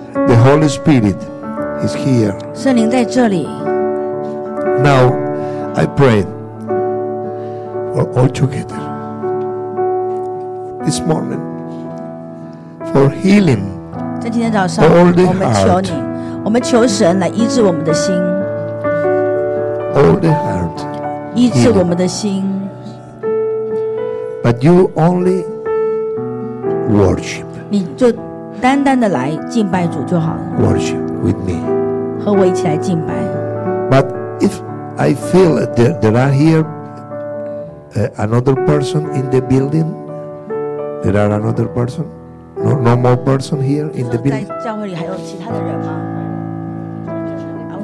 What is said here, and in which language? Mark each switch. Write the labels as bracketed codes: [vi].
[en] The Holy Spirit is here. [zh] 圣灵在这里。 [en] Now, I pray for all together this morning for healing. [zh] 在今天早上，我们求你，我们求神来医治我们的心。 [en] All the heart, [zh] 医治我们的心。 [en] But you only worship. [zh] 你就单单的来敬拜主就好了。 [en] Worship with me. [zh] 和我一起来敬拜。 [en] But if I feel there are here another person in the building, there are another person, no more person here in the building. [zh] 在教会里还有其他的人吗